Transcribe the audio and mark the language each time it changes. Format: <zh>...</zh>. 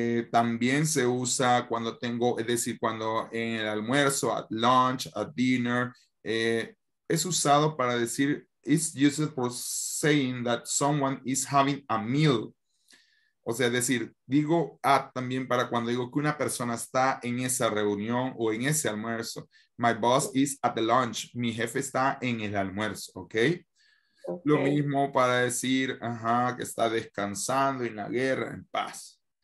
<es>También se usa cuando tengo, es decir, cuando en el almuerzo,</es> <en>at lunch, at dinner.</en> <es>Es usado para decir,</es> <en>it's used for saying that someone is having a meal.</en> <es>O sea, es decir, digo at también para cuando digo que una persona está en esa reunión o en ese almuerzo.</es> <en>My boss is at the lunch.</en> <es>Mi jefe está en el almuerzo,</es> <en>¿okay?</en> <es>Lo mismo para decir, ajá, que está descansando en la guerra, en paz.</es>